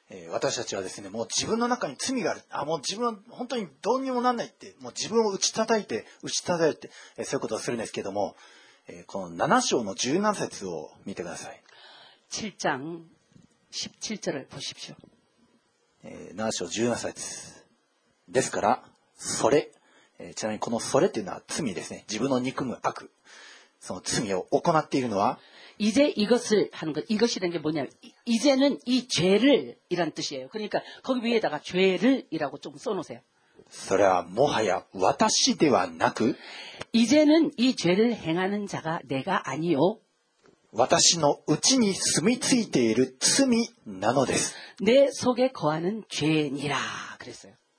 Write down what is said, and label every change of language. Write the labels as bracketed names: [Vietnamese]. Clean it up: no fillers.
[Japanese] 私たちはですね、もう自分の中に罪がある。あ、もう自分は本当にどうにもなんないって、もう自分を打ち叩いて打ち叩いてそういうことをするんですけども、この7章の17節を見てください。 [Korean] 7장17절을보십시오。 [Japanese] 7章17節ですからそれ。ちなみにこのそれというのは罪ですね。自分の憎む悪、その罪を行っているのは、 [Korean] 이제이것을하는것、이것이라는게뭐냐、이제는이죄를이란뜻이에요。 그러니까거기위에다가죄를이라고좀써놓으세요。 [Japanese] それはもはや私ではなく、 [Korean] 이제는이죄를행하는자가내가아니요。 [Japanese] 私のうちに住み着いている罪なのです。 [Korean] 내속에거하는죄니라、그랬어요。